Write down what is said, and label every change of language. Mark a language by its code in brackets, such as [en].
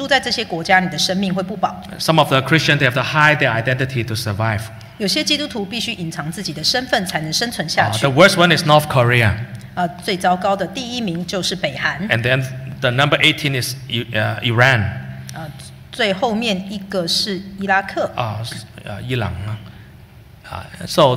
[zh] 这里有18个国家，他们是大大的逼迫基督徒，所以如果你住在这些国家，你的生命会不保。 [en] Some of the Christians, they have to hide their identity to survive. [zh] 有些基督徒必须隐藏自己的身份才能生存下去。 [en] The worst one is North Korea. [zh] 最糟糕的第一名就是北韩。 [en] And then the number 18 is Iran. [zh] 最后面一个是伊拉克。伊朗啊。 [en] So